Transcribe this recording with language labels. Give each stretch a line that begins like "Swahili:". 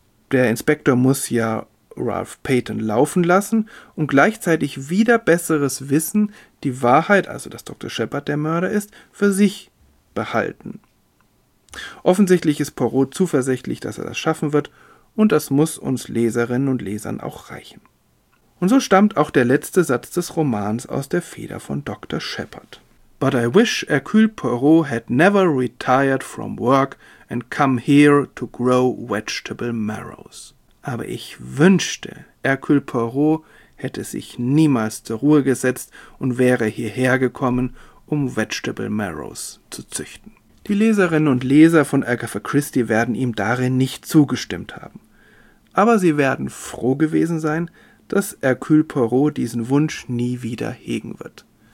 German: Der Inspektor muss ja Ralph Peyton laufen lassen und gleichzeitig wieder besseres Wissen, die Wahrheit, also dass Dr. Shepard der Mörder ist, für sich behalten. Offensichtlich ist Poirot zuversichtlich, dass er das schaffen wird und das muss uns Leserinnen und Lesern auch reichen. Und so stammt auch der letzte Satz des Romans aus der Feder von Dr. Shepard.
English: But I wish Hercule Poirot had never retired from work and come here to grow vegetable marrows.
German: Aber ich wünschte, Hercule Poirot hätte sich niemals zur Ruhe gesetzt und wäre hierher gekommen, um vegetable marrows zu züchten. Die Leserinnen und Leser von Agatha Christie werden ihm darin nicht zugestimmt haben. Aber sie werden froh gewesen sein, dass Hercule Poirot diesen Wunsch nie wieder hegen wird.